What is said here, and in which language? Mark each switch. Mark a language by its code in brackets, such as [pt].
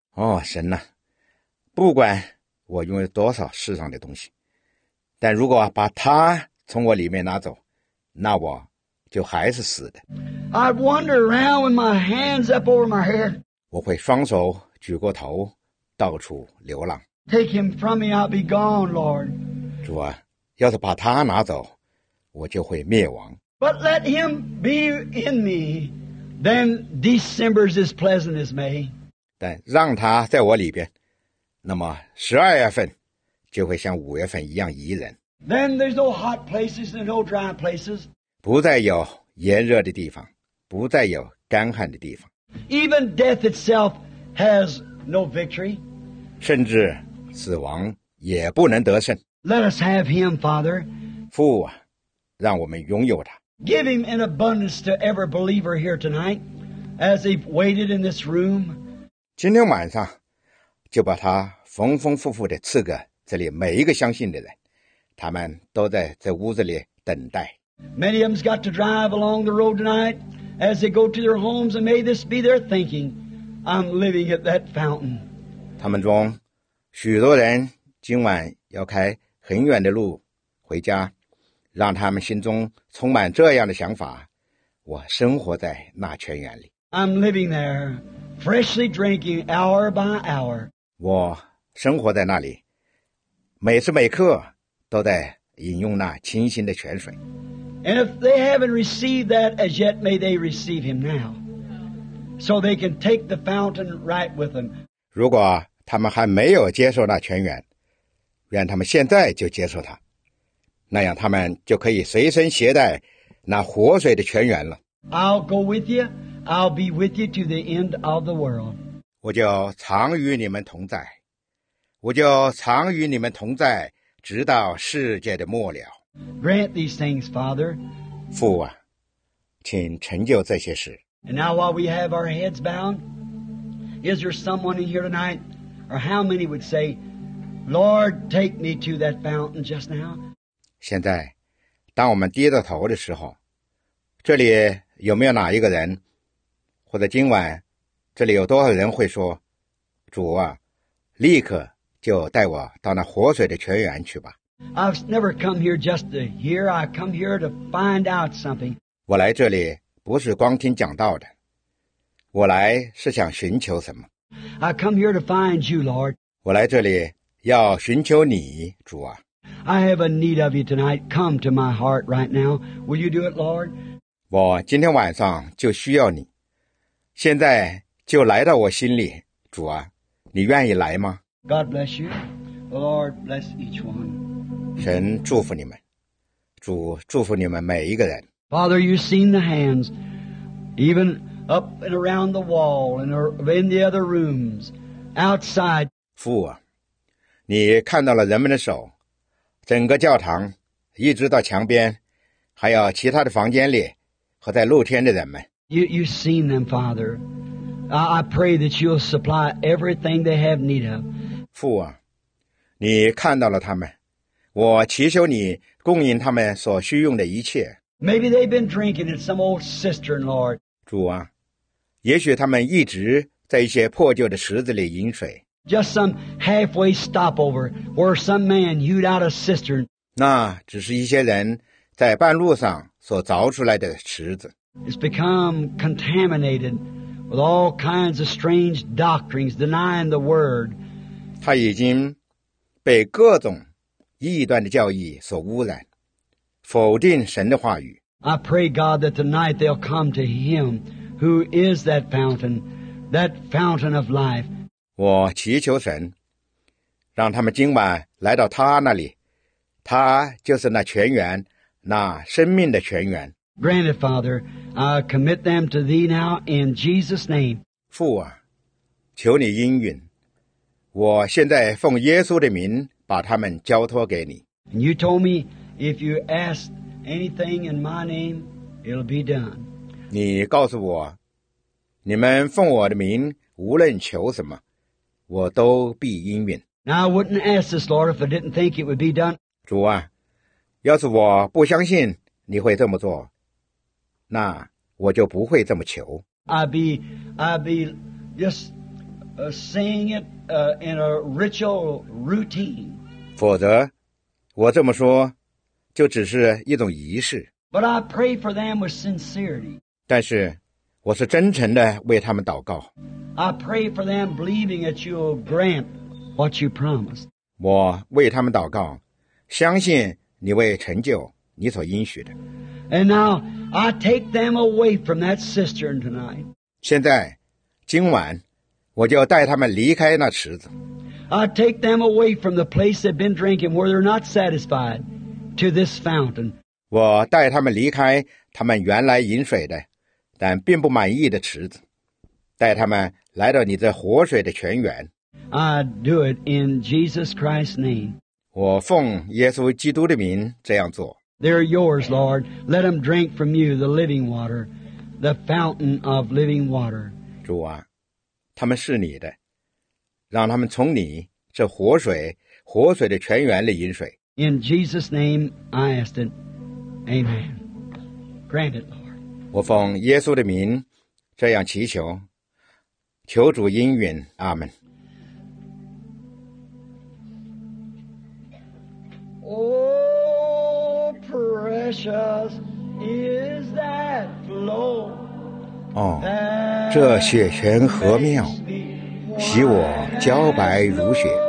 [zh] 哦，神呐，不管我拥有多少世上的东西，但如果把它从我里面拿走，那我就还是死的。 [en] I'd wander around with my hands up over my head. [zh] 我会双手举过头，到处流浪。 [en] Take him from me, I'll be gone, Lord. [zh] 主啊，要是把它拿走，我就会灭亡。 [en] But let him be in me. Then December's as pleasant as May. [zh] 但让他在我里边，那么十二月份就会像五月份一样宜人。 [en] Then there's no hot places and no dry places. [zh] 不再有炎热的地方，不再有干旱的地方。 [en] Even death itself has no victory. [zh] 甚至死亡也不能得胜。 [en] Let us have him, Father. [zh] 父啊，让我们拥有他。 [en] Give him an abundance to every believer here tonight as they've waited in this room. [zh] 今天晚上就把他丰丰富富地赐给这里每一个相信的人，他们都在这屋子里等待。 [en] Many of them's got to drive along the road tonight as they go to their homes and may this be their thinking. I'm living at that fountain. [zh] 他们中许多人今晚要开很远的路回家，让他们心中充满这样的想法，我生活在那泉源里。 [en] I'm living there, freshly drinking hour by hour. [zh] 我生活在那里，每时每刻都在饮用那清新的泉水。 [en] And if they haven't received that as yet, may they receive him now, so they can take the fountain right with them. [zh] 如果他们还没有接受那泉源，愿他们现在就接受它，那样他们就可以随身携带那活水的泉源了。 [en] I'll go with you. I'll be with you to the end of the world. [zh] 我就常与你们同在，我就常与你们同在，直到世界的末了。 [en] Grant these things, Father. [zh] 父啊，请成就这些事。 [en] And now while we have our heads bound, is there someone in here tonight, or how many would say, Lord, take me to that fountain just now? [zh] 现在，当我们低着头的时候，这里有没有哪一个人，或者今晚，这里有多少人会说，主啊，立刻就带我到那活水的泉源去吧。 [en] I've never come here just to hear, I come here to find out something. [zh] 我来这里不是光听讲道的，我来是想寻求什么。 [en] I come here to find you, Lord. [zh] 我来这里要寻求你，主啊。 [en] I have a need of you tonight. Come to my heart right now. Will you do it, Lord? [zh] 我今天晚上就需要你，现在就来到我心里，主啊，你愿意来吗？ [en] God bless you. Lord bless each one. [zh] 神祝福你们，主祝福你们每一个人。 [en] Father, you've seen the hands, even up and around the wall and in the other rooms, outside. [zh] 父啊，你看到了人们的手，整个教堂，一直到墙边，还有其他的房间里和在露天的人们。 [en] You've seen them, Father. I pray that you'll supply everything they have need of. [zh] 父啊，你看到了他们，我祈求你供应他们所需用的一切。 [en] Maybe they've been drinking at some old cistern, Lord. [zh] 主啊，也许他们一直在一些破旧的池子里饮水。 [en] Just some halfway stopover where some man hewed out a cistern. [zh] 那只是一些人在半路上所凿出来的池子。 [en] It's become contaminated with all kinds of strange doctrines denying the word. [zh] 它已经被各种异端的教义所污染，否定神的话语。 [en] I pray God that tonight they'll come to Him who is that fountain of life. [zh] 我祈求神，让他们今晚来到他那里，他就是那泉源，那生命的泉源。 [en] Grant it, Father. I commit them to Thee now in Jesus' name. [zh] 父啊，求你应允，我现在奉耶稣的名把他们交托给你。 [en] And you told me,If you ask anything in my name, it'll be done. [zh] 你告诉我，你们奉我的名，无论求什么，我都必应允。 [en] Now I wouldn't ask this, Lord, if I didn't think it would be done. [zh] 主啊，要是我不相信你会这么做，那我就不会这么求。 [en] I'd be just saying it in a ritual routine. [zh] 否则，我这么说就只是一种仪式。 [en] But I pray for them with sincerity. [zh] 但是我是真诚地为他们祷告。 [en] I pray for them believing that you'll grant what you promised. [zh] 我为他们祷告，相信你为成就你所应许的。 [en] And now I take them away from that cistern tonight. [zh] 现在，今晚，我就带他们离开那池子。 [en] I take them away from the place they've been drinking where they're not satisfied. To this fountain. [zh] 我带他们离开他们原来饮水的但并不满意的池子，带他们来到你这活水的泉源。 [en] I do it in Jesus Christ's name. [zh] 我奉耶稣基督的名这样做。 [en] They're yours, Lord. Let them drink from you the living water, the fountain of living water. [zh] 主啊，他们是你的，让他们从你这活水的泉源里饮水。 [en] In Jesus' name, I ask it. Amen. Grant it, Lord. [zh] 我奉耶稣的名这样祈求，求主应允。阿门。 [en] Oh, precious is that flow. [zh] 哦，这血泉何妙，洗我皎白如雪。